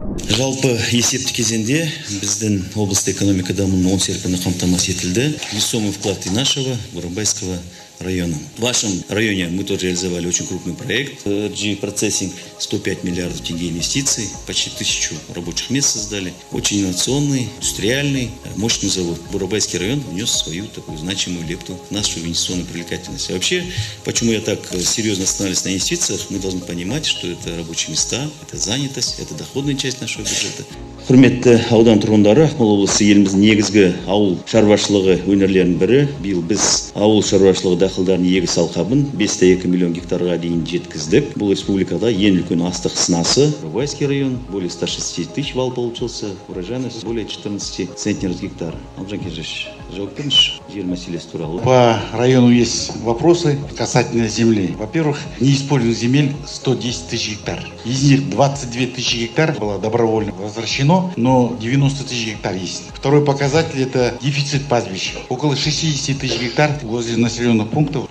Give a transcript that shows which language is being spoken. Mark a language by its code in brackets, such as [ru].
[kk] Жалпы есепті кезенде біздің облысты экономика дамының 10 серпіні қамтамасыз етілді. [ru] Весомый вклад Тинашева, Бурабайского района. В вашем районе мы тоже реализовали очень крупный проект. G-процессинг, 105 миллиардов тенге инвестиций, почти 1000 рабочих мест создали. Очень инновационный, индустриальный, мощный завод. Бурабайский район внес свою такую значимую лепту в нашу инвестиционную привлекательность. А вообще, почему я так серьезно остановился на инвестициях, мы должны понимать, что это рабочие места, это занятость, это доходная часть нашего бюджета. [kk] Құрметті аудан тұрғындары, Ақмола облысы еліміздің негізгі ауыл шаруашылығы өңірлерінің бірі. Биыл біз ауыл шаруашылығы дақылдарын егіс алқабын 5,2 миллион гектарға дейін жеткіздік. Бұл республикада ең үлкен астық сынасы. [ru] Бурабайский район, более 160 тысяч вал получился, урожайность более 14 центнеров гектар. [kk] Алжан Кержеш, жауап беріңізші. [ru] По району есть вопросы касательно земли. Во-первых, неиспользованных земель 110 тысяч гектар. Из них 22 тысячи гектар было добровольно возвращено, но 90 тысяч гектар есть. Второй показатель – это дефицит пастбищ. Около 60 тысяч гектар возле населенных пунктов.